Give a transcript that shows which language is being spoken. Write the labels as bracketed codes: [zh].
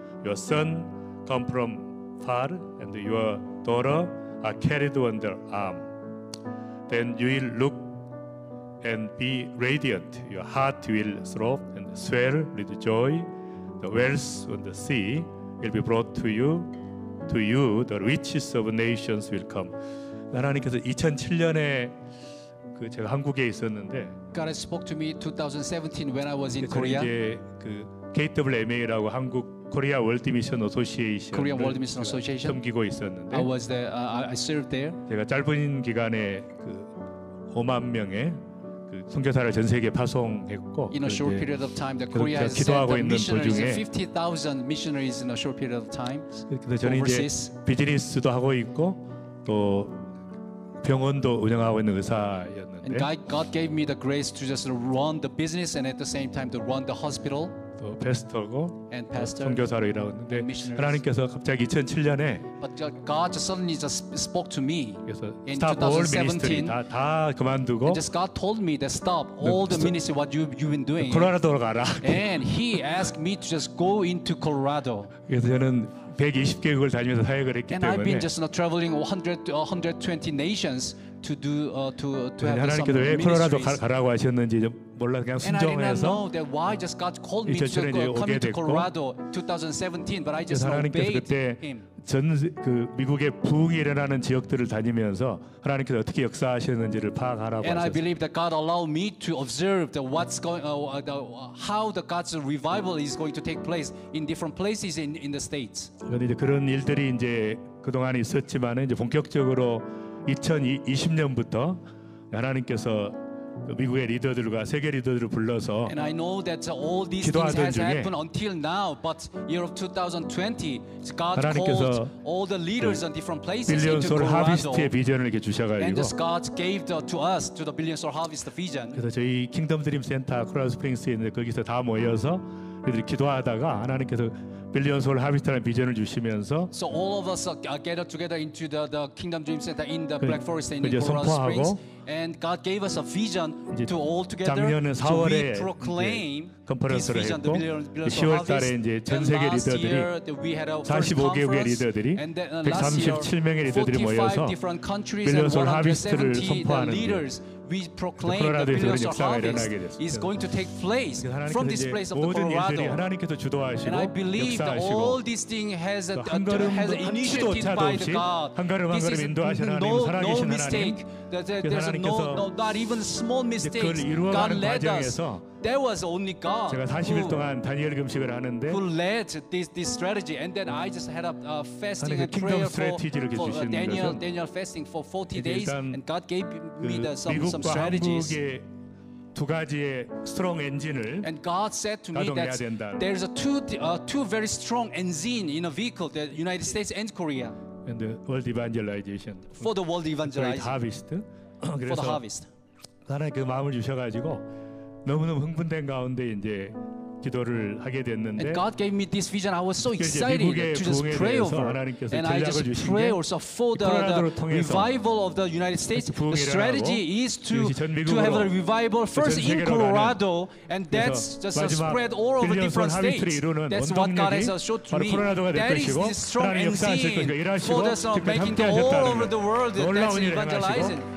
[en] Your son come from far, and your daughter are carried on their arm. Then you will look and be radiant. Your heart will throb and swell with joy. The wells on the sea will be brought to you. To you, the riches of nations will come. [ko] 하나님께서 2007년에 그 제가 한국에 있었는데. [en] God spoke to me 2017 when I was in Korea. [ko] 이제 그 KWMA라고 한국 코리아 월드 미션 어소시에이션. [en] Korean World Mission Association. [ko] 섬기고 있었는데. [en] I was there. I served there. [ko] 제가 짧은 기간에 그 5만 명의 선교사를 전 세계에 파송했고 [en] in a short period of time, the Korea has sent missionaries 50,000 missionaries in a short period of time. [ko] 그래서 저는 이제 비즈니스도 하고 있고 또 병원도 운영하고 있는 의사였는데 [en] and God gave me the grace to just run the business and at the same time to run the hospital. [ko] 또 패스터고 [en] and pastor [ko] 선교사로 일하고 있는데 하나님께서 갑자기 2007년에 but God just suddenly just spoke to me [en] in 2017 [ko] 다 그만두고 [en] and just God told me that stop all the ministry what you've been doing [ko] 콜로라도로 가라 [en] and he asked me to just go into Colorado [ko] 그래서 저는 120개국을 다니면서 사역을 했기 때문에 [en] and I've been just traveling 120 nations to do to have [ko] 하나님께서 왜 콜로라도 가라고 하셨는지 좀 몰라 그냥 순종해서 [en] why just God called me to go coming to Colorado 2017 but I just obeyed [ko] 하나님께서 그때 전 그 미국의 부흥이 일어나는 지역들을 다니면서 하나님께서 어떻게 역사하셨는지를 파악하라고 하셨어요. [en] And I believe that God allowed me to observe the what's going how the God's revival is going to take place in different places in the states. [ko] 그런데 그런 일들이 이제 그동안 있었지만 이제 본격적으로 2020년부터 하나님께서 미국의 리더들과 세계 리더들을 불러서 [en] And I know that all these things has happened until now but year of 2020 God called all the leaders in different places into Colorado [ko] 하비스트의 비전을 이렇게 주셔 가지고 [en] And this God gave to us to the Billion Soul Harvest vision [ko] 그래서 저희 킹덤 드림 센터 콜로라도 스프링스에 있는데 거기서 다 모여서 이들이 기도하다가 하나님께서 빌리언 소울 하비스트라는 비전을 주시면서 [en] So all of us gathered together into the Kingdom Dream Center in the Black Forest in Colorado Springs and God gave us a vision to all together to proclaim this vision the Billion Soul Harvest and last year we had our first conference [ko] 45개국의 리더들이 [en] and then last year 45 different countries and 170 leaders we proclaim the Billion Soul Harvest is going to take place from this place of the Colorado and I believe all these things has initiated by the God. [ko] 한 걸음 한 걸음 인도하시는 하나님, 살아계신 [en] no mistake. [ko] 하나님. [en] There's no, not even small mistakes. God led us. There was only God. [ko] 제가 40일 동안 다니엘 금식을 하는데. [en] Who led this strategy? And then I just had a fasting and prayer for Daniel fasting for 40 days. And God gave me some strategies. [ko] 두 가지의 스트롱 엔진을 [en] And God said to me that there is a two very strong engine in a vehicle the United States and Korea and the world evangelization for the world evangelization harvest for the harvest. [ko] 하나님 그 마음을 주셔가지고 너무너무 흥분된 가운데 이제 기도를 하게 됐는데. [en] And God gave me this vision. I was so excited to just pray over. And I just pray also for the revival of the United States. The strategy is to have a revival first in Colorado, and that's just spread all over different states. That's what God has showed to me. That is this strong engine for us making the all over the world that's evangelizing.